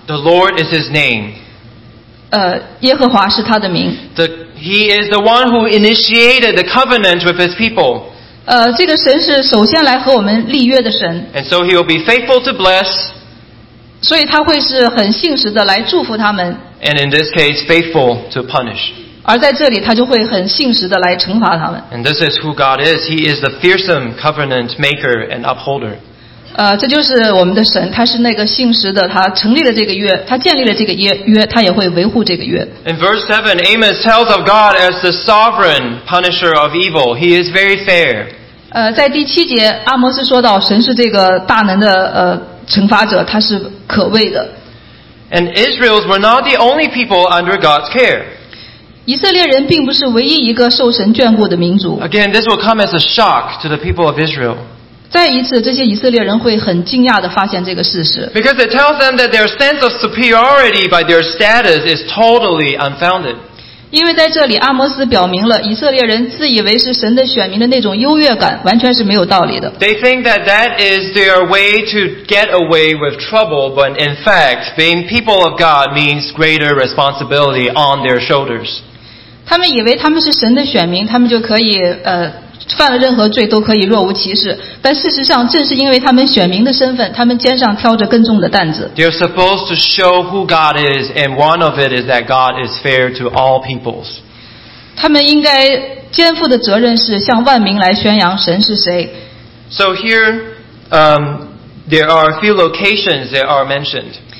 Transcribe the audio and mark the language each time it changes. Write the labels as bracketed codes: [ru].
[en] The Lord is His name. [zh] 耶和华是他的名。 [en] He is the one who initiated the covenant with His people. [zh] 这个神是首先来和我们立约的神。 [en] And so he will be faithful to bless. [zh] 所以他会是很信实的来祝福他们。 [en] And in this case, faithful to punish. [zh] 而在这里他就会很信实的来惩罚他们。 [en] And this is who God is. He is the fearsome covenant maker and upholder. [zh] 这就是我们的神，他是那个信实的，他成立了这个约，他建立了这个约，他也会维护这个约。 [en] In verse 7, Amos tells of God as the sovereign punisher of evil. He is very fair. [zh] 在第七节，阿摩斯说到神是这个大能的惩罚者，他是可畏的。 [en] And Israel's were not the only people under God's care. [zh] 以色列人并不是唯一一个受神眷顾的民族。 [en] Again, this will come as a shock to the people of Israel. [zh] 再一次，这些以色列人会很惊讶地发现这个事实。 [en] Because it tells them that their sense of superiority by their status is totally unfounded. [zh] 因为在这里阿摩斯表明了以色列人自以为是神的选民的那种优越感完全是没有道理的。 [en] They think that that is their way to get away with trouble, but in fact, being people of God means greater responsibility on their shoulders. [zh] 他们以为他们是神的选民，他们就可以犯了任何罪都可以若无其事，但事实上正是因为他们选民的身份，他们肩上挑着更重的担子。 [en] They're supposed to show who God is, and one of it is that God is fair to all peoples. [zh] 他们应该肩负的责任是向万民来宣扬神是谁。 [en] So here, there are a few locations that are mentioned.